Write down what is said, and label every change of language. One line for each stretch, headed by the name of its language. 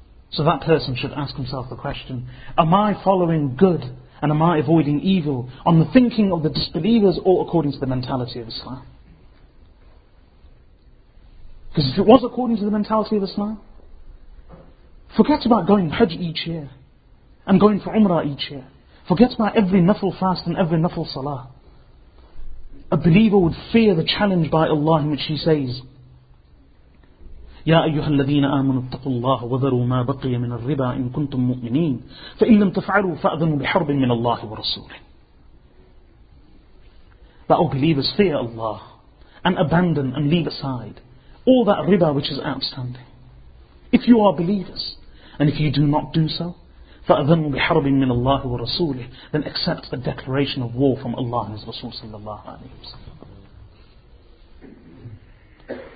English: So that person should ask himself the question, am I following good and am I avoiding evil on the thinking of the disbelievers or according to the mentality of Islam? Because if it was according to the mentality of Islam, forget about going Hajj each year and going for Umrah each year. Forget about every Nafl fast and every Nafl Salah. A believer would fear the challenge by Allah in which He says,
Arabic: يَا أَيُّهَا الَّذِينَ آمَنُوا اتَّقُوا اللَّهَ وَذَرُوا مَا بَقِيَ مِنَ الرِّبَىٰ إِن كُنْتُم مُؤْمِنِينَ فَإِن لَمْ تَفْعَلُوا فَأَذَنُوا بِحَرْبٍ مِنَ اللَّهِ وَرَسُولِهِ.
English: But believers, fear Allah and abandon and leave aside all that riba which is outstanding. If you are believers, and if you do not do so,
Arabic: فَأَذَنُوا بِحَرْبٍ مِّنَ اللَّهِ وَرَسُولِهِ,
English: then accept a declaration of war from Allah and His Rasul sallallahu alayhi wa sallam.